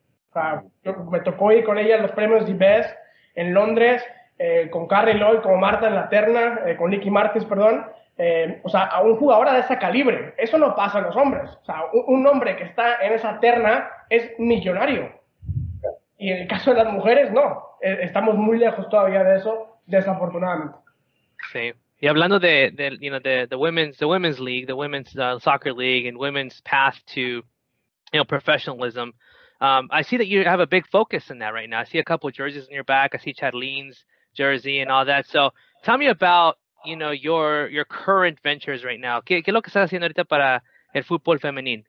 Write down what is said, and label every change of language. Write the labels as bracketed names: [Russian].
[Spanish] O sea, me tocó ir con ella a los premios The Best en Londres, con Carrie Lloyd, con Marta en la terna, con Nicky Martins, perdón, o sea, a un jugador de ese calibre. Eso no pasa en los hombres. O sea, un hombre que está en esa terna es millonario. Y en el caso de las mujeres, no. Estamos muy lejos todavía de eso, desafortunadamente. Sí. Y hablando de [English] the women's league, the women's soccer league, and women's path to, you know, professionalism. I see that you have a big focus in that right now. I see a couple of jerseys on your back. I see Chatelaine's jersey and all that. So tell me about, you know, your current ventures right now. [Spanish] ¿Qué es lo que estás haciendo ahorita para el fútbol femenil?